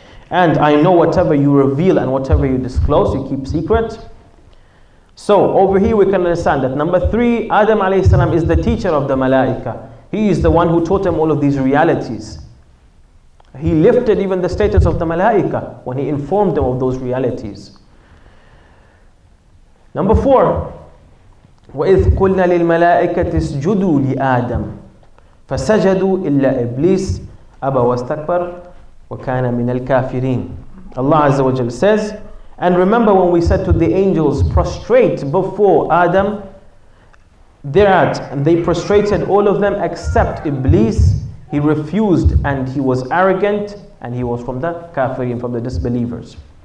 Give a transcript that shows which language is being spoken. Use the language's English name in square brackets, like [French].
[English] And I know whatever you reveal and whatever you disclose, you keep secret. So over here we can understand that number three, Adam alayhi salam is the teacher of the malaika. He is the one who taught him all of these realities. He lifted even the status of the malaika when he informed them of those realities. [Arabic] Number four, وَإِذْ قُلْنَا لِلْمَلَائِكَةِ اسْجُدُوا لِآدَمَ فَسَجَدُوا إِلَّا إِبْلِيسَ أَبَى وَاسْتَكْبَرَ وَكَانَ مِنَ الْكَافِرِينَ. [English] Allah Azza wa Jal says, and remember when we said to the angels, prostrate before Adam, thereat, and they prostrated all of them except Iblis. He refused and he was arrogant and he was from the kafirin, from the disbelievers.